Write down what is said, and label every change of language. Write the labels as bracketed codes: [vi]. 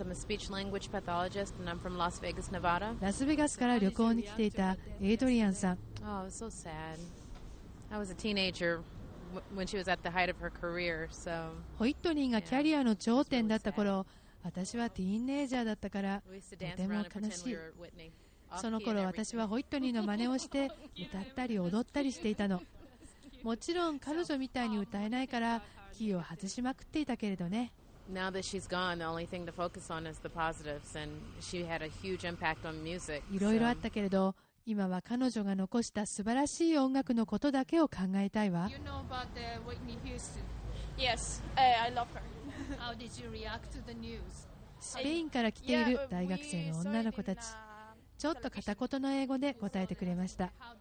[en] I'm a speech language pathologist and I'm from Las Vegas, Nevada. [ja] ラスベガスから旅行に来ていたエイドリアンさん。 [en] Oh, so sad. I was a teenager when she was at the height of her career, so. [ja] ホイットニーがキャリアの頂点だった頃、私はティーンエイジャーだったから、とても悲しい。その頃、私はホイットニーの真似をして歌ったり踊ったりしていたの。もちろん彼女みたいに歌えないからキーを外しまくっていたけれどね。 [en] Now that she's gone, the only thing to focus on is the positives, and she had a huge impact on music. [ja] いろいろあったけれど、今は彼女が残した素晴らしい音楽のことだけを考えたいわ。 [en] You know about the Whitney Houston? Yes, I love her. How did you react to the news? [ja] スペインから来ている大学生の女の子たち、ちょっと片言の英語で答えてくれました。